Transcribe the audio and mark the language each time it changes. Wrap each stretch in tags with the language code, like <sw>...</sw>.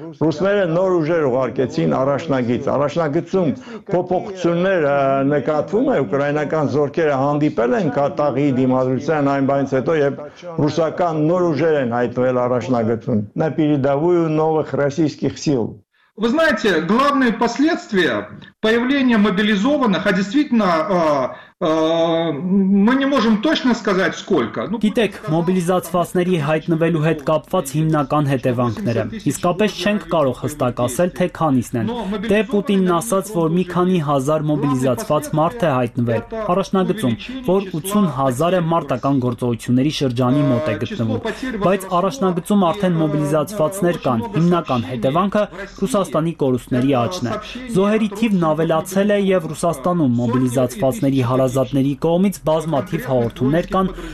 <hy>ռուսները նոր ուժեր ուղարկեցին առաջնագից։ Առաջնագծում փոփոխություններ նկատվում է, ուկրաինական զորքերը հանդիպել են կատաղի դիմադրության այն բանից հետո, երբ ռուսական նոր ուժեր են հայտնվել առաջնագծում։</hy> <ru>На передовую новых российских сил. Вы знаете, главные последствия появления мобилизованных, а действительно Мы не можем точно сказать, сколько.</ru> <hy>Գիտեք, մոբիլիզացվածների հայտնվելու հետ կապված հիմնական հետևանքները։ Իսկապես չենք կարող հստակ ասել, թե քանիսն են։ Դե Պուտինն ասաց, որ մի քանի հազար մոբիլիզացված մարդ է հայտնվել։ Առաջնագծում, որ 80,000-ը մարտական գործողությունների շրջանի մոտ է գտնվում։ Բայց առաջնագծում արդեն մոբիլիզացվածներ կան։ Հիմնական հետևանքը Ռուսաստանի կորուստների աճն է։ Զոհերի թիվն ավելացել է եւ Ռուսաստանում մոբիլիզացվածների հարազատների կողմից բազմաթիվ հաղորդումներ կան</hy>